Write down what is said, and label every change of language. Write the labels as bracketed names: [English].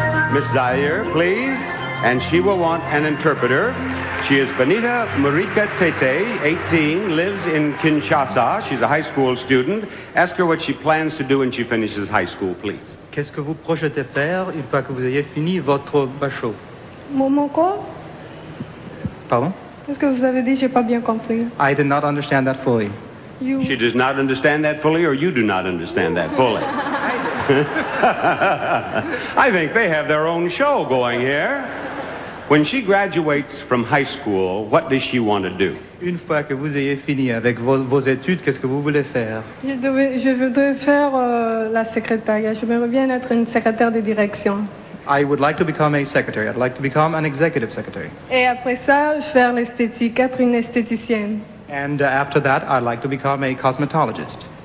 [English] Miss Zaire, please. And she will want an interpreter. She is Benita Marika Tete, 18, lives in Kinshasa. She's a high school student. Ask her what she plans to do when she finishes high school, please. [French] Qu'est-ce que vous projetez faire une fois que vous ayez fini votre bachot? Mon quoi? Pardon? Qu'est-ce que vous avez dit? J'ai pas bien compris. [English] I did not understand that fully. You. She does not understand that fully, or you do not understand that fully? I think they have their own show going here. When she graduates from high school, what does she want to do? [French] Une fois que vous ayez fini avec vos études, qu'est-ce que vous voulez faire? Je voudrais faire la secrétaire. Je voudrais bien être une secrétaire de direction. [English] I would like to become a secretary. I'd like to become an executive secretary. [French] Et après ça, faire l'esthétique, être une esthéticienne. [English] And after that, I'd like to become a cosmetologist.